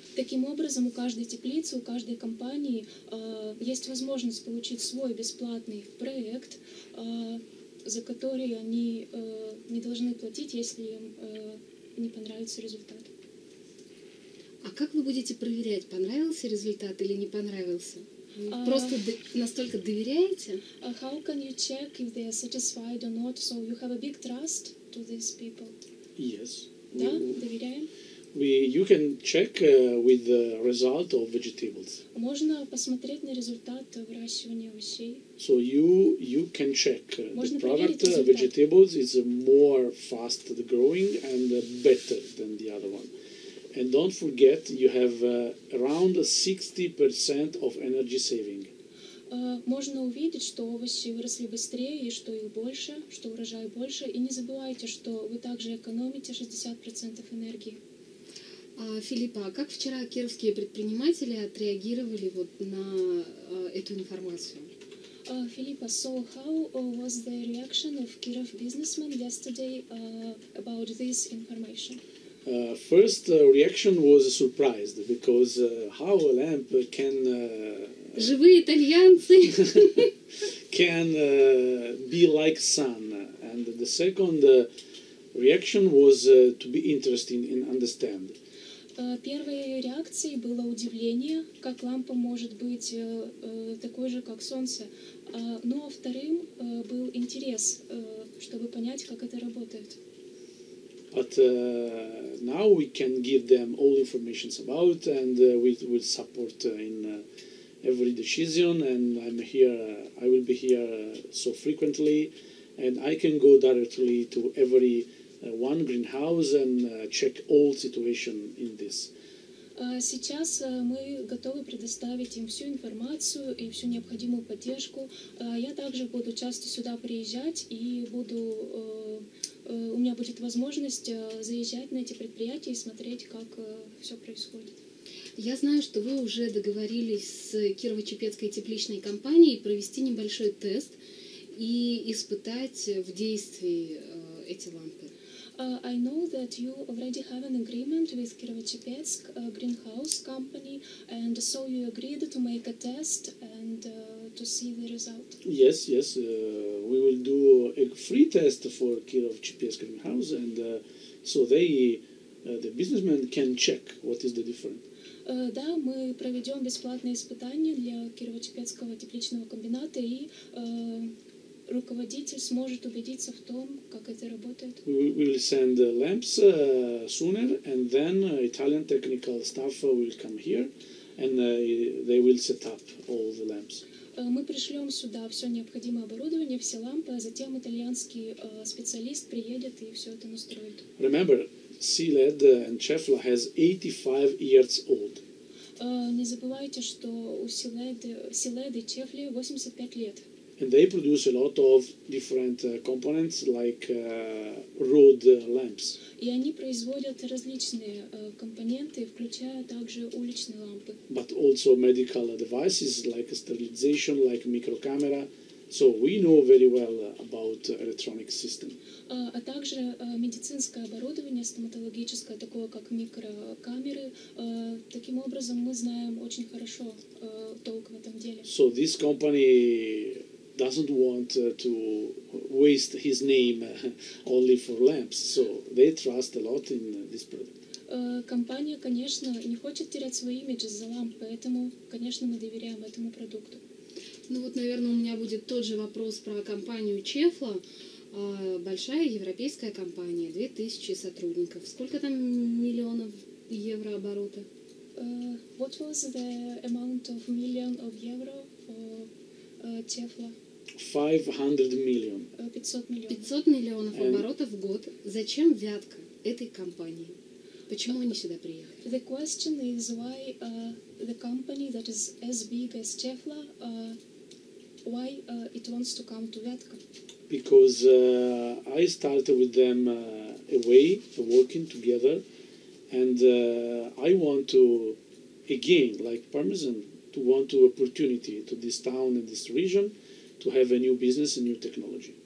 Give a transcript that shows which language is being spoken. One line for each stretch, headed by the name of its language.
Russian: Таким образом, у каждой теплицы, у каждой компании есть возможность получить свой бесплатный проект, за который они не должны платить, если им не понравится результат. А как вы будете проверять, понравился результат или не понравился? Просто настолько доверяете?
English: How can you check if they are satisfied or not? So you have a big trust to these people? Yes.
Russian: Да, доверяем.
English: You can check with the result of vegetables.
Russian: Можно посмотреть на результат выращивания овощей.
English: So you can check the product vegetables is more fast the growing and better than the other one. And don't forget you have around 60% of energy saving.
Russian: Можно увидеть, что овощи выросли быстрее, и что их больше, что урожай больше. И не забывайте, что вы также экономите 60% энергии. Филиппа, как вчера кировские предприниматели отреагировали вот на эту информацию?
English: Филиппа, so how was the reaction of Kirov businessmen yesterday about this information? First reaction was surprised, because how a lamp can...
Russian: Живые итальянцы.
English: Can be like sun. And the second reaction was to be interesting and understand.
Russian: Первой реакцией было удивление, как лампа может быть такой же, как солнце. Ну, а вторым был интерес, чтобы понять, как это работает.
English: But now we can give them all information about, and we will support in every decision, and I'm here, I will be here so frequently, and I can go directly to every one greenhouse and check all situation in this.
Russian: Сейчас мы готовы предоставить им всю информацию и всю необходимую поддержку. Я также буду часто сюда приезжать и буду... У меня будет возможность заезжать на эти предприятия и смотреть, как все происходит. Я знаю, что вы уже договорились с Кирово-Чепецкой тепличной компанией провести небольшой тест и испытать в действии эти лампы.
English: I know that you already have an agreement with Kirovochepetsk greenhouse company, and so you agreed to make a test and to see the result. Yes, yes. We will do a free test for Kirovochepetsk greenhouse, and so they, the businessmen, can check what is the difference.
Russian: Да, мы проведем бесплатные испытания для Кирово-Чепецкого тепличного комбината, и руководитель сможет убедиться в том, как это работает.
English: We will send lamps sooner, and then Italian technical staff will come here, and they will set up all the lamps.
Russian: Мы пришлем сюда все необходимое оборудование, все лампы, а затем итальянский специалист приедет и все это настроит.
English: Remember, CLED and Cefla has 85 years old.
Russian: Не забывайте, что у CLED и Cefla 85 лет.
English: And they produce a lot of different components, like road lamps.
Russian: И они производят различные компоненты, включая также уличные лампы.
English: But also medical devices, like sterilization, like microcamera. So we know very well about electronic system.
Russian: А также медицинское оборудование, стоматологическое, такое как микрокамеры. Таким образом, мы знаем очень хорошо толк в этом деле.
English: So this company doesn't want to waste his name only for lamps, so they trust a lot in this product.
Russian: Компания, конечно, не хочет терять свой имидж из-за ламп, поэтому, конечно, мы доверяем этому продукту. Ну вот, наверное, у меня будет тот же вопрос про компанию Cefla. Большая европейская компания, 2000 сотрудников. Сколько там миллионов евро оборота?
English: What was the amount of million of euro for Cefla? 500 million.
Russian: 500 миллионов оборотов в год. Зачем Вятка этой компании? Почему они сюда приехали?
English: The question is why the company that is as big as Cefla, why it wants to come to Vятка? Because I started with them away, working together, and I want to, again, like Parmesan, to want to opportunity to this town and this region, to have a new business and new technology.